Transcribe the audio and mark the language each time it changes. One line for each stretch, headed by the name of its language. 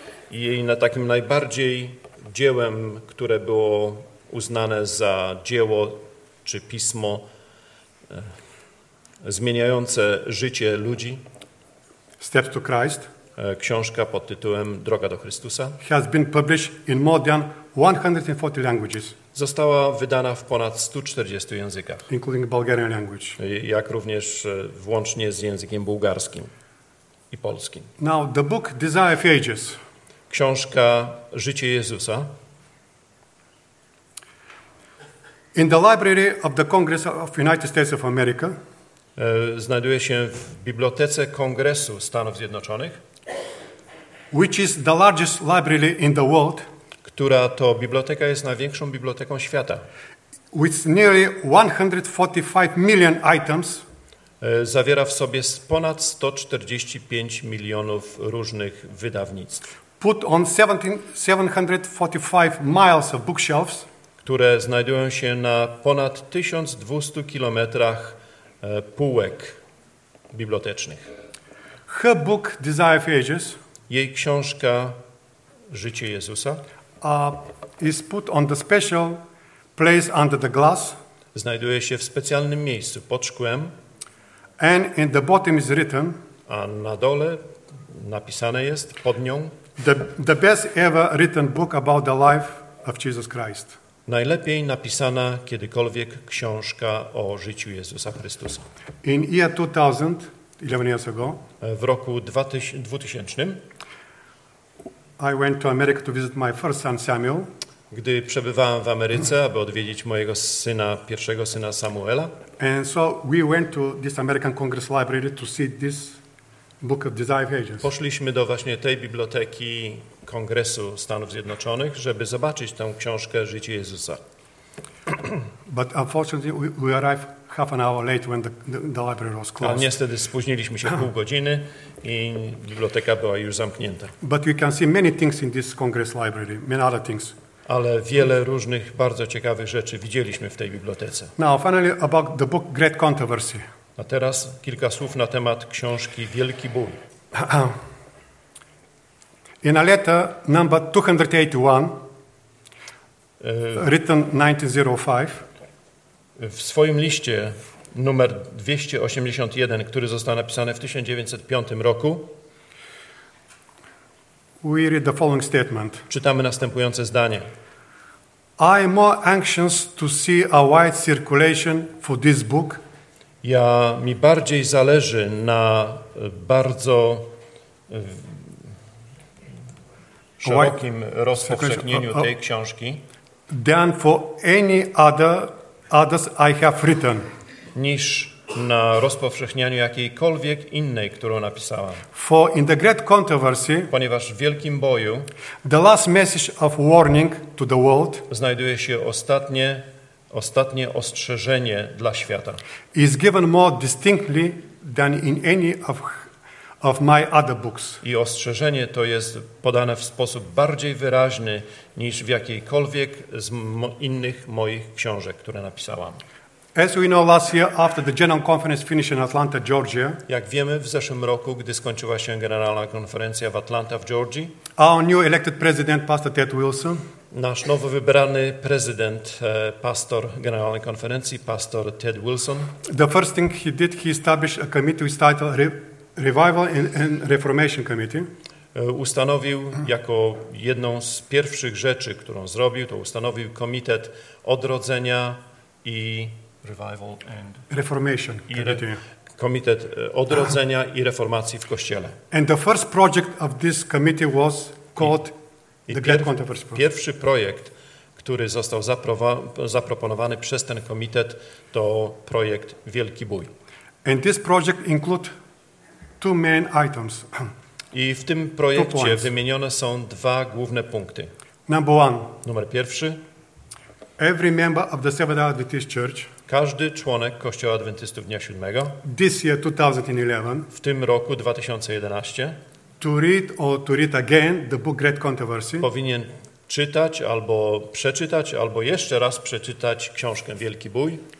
Polish: Jej na takim najbardziej dziełem, które było uznane za dzieło czy pismo zmieniające życie ludzi.
English: Step to Christ.
Polish: Książka pod tytułem Droga do Chrystusa.
English: Has been published in more than 140 languages.
Polish: Została wydana w ponad 140 językach.
English: Including Bulgarian language.
Polish: Jak również włącznie z językiem bułgarskim i polskim.
English: Now the book Desire of Ages.
Polish: Książka Życie Jezusa.
English: In the library of the Congress of United States of America.
Polish: Znajduje się w Bibliotece Kongresu Stanów Zjednoczonych.
English: Which is the largest library in the world.
Polish: Która to biblioteka jest największą biblioteką świata.
English: With nearly 145 million items.
Polish: Zawiera w sobie ponad 145 milionów różnych wydawnictw.
English: Put on 745 miles of bookshelves.
Polish: Które znajdują się na ponad 1200 kilometrach półek bibliotecznych.
English: Her book, Desire of Ages,
Polish: jej książka Życie Jezusa
English: is put on the special place under the glass.
Polish: Znajduje się w specjalnym miejscu pod szkłem.
English: And in the bottom is written,
Polish: a na dole napisane jest pod nią
English: the best ever written book about the life of Jesus Christ.
Polish: Najlepiej napisana kiedykolwiek książka o życiu Jezusa Chrystusa.
English: In year 2000, 11 years ago,
Polish: w roku 2000,
English: I went to America to visit my first son Samuel.
Polish: Gdy przebywałem w Ameryce, aby odwiedzić mojego syna, pierwszego syna Samuela.
English: And so we went to this American Congress Library to see this book of Desire of Ages.
Polish: Poszliśmy do właśnie tej biblioteki Kongresu Stanów Zjednoczonych, żeby zobaczyć tę książkę Życie Jezusa.
English: But unfortunately we arrived half an hour late when the library was closed.
Polish: A niestety spóźniliśmy się pół godziny i biblioteka była już zamknięta.
English: But you can see many things in this Congress Library, many other things.
Polish: Ale wiele różnych bardzo ciekawych rzeczy widzieliśmy w tej bibliotece.
English: Now finally about the book Great Controversy.
Polish: A teraz kilka słów na temat książki Wielki Ból.
English: In a letter number 281, written 1905.
Polish: W swoim liście numer 281, który został napisany w 1905 roku,
English: we read the following statement.
Polish: Czytamy następujące zdanie.
English: I am more anxious to see a wide circulation for this book.
Polish: Ja mi bardziej zależy na bardzo szerokim rozpowszechnieniu tej książki
English: than for any others I have written.
Polish: Niż na rozpowszechnianiu jakiejkolwiek innej, którą napisałam.
English: For in the great controversy,
Polish: ponieważ w wielkim boju,
English: the last message of warning to the world,
Polish: znajduje się ostatnie ostrzeżenie dla świata.
English: Is given more distinctly than in any of my other books.
Polish: I ostrzeżenie to jest podane w sposób bardziej wyraźny niż w jakiejkolwiek z innych moich książek, które napisałam.
English: As we know, last year after the General Conference finished in Atlanta, Georgia,
Polish: jak wiemy, w zeszłym roku, gdy skończyła się generalna konferencja w Atlanta, w Georgii,
English: our new elected president, Pastor Ted Wilson,
Polish: nasz nowo wybrany prezydent, pastor generalnej konferencji, pastor Ted Wilson,
English: the first thing he did, he established a committee with title Revival and Reformation Committee.
Polish: Ustanowił jako jedną z pierwszych rzeczy, którą zrobił, to ustanowił komitet odrodzenia i
English: Revival and Reformation Committee.
Polish: Komitet odrodzenia i reformacji w Kościele.
English: And the first project of this committee was called The Great Controversy.
Polish: Pierwszy projekt, który został zaproponowany przez ten komitet, to projekt Wielki Bój.
English: And this project include two main items.
Polish: I w tym projekcie wymienione są dwa główne punkty.
English: Number one.
Polish: Numer pierwszy.
English: Every member of the Seventh-day Adventist Church.
Polish: Każdy członek Kościoła Adwentystów Dnia Siódmego.
English: This year 2011.
Polish: W tym roku 2011.
English: To read or to read again the book Great Controversy.
Polish: Powinien czytać albo przeczytać albo jeszcze raz przeczytać książkę Wielki Bój.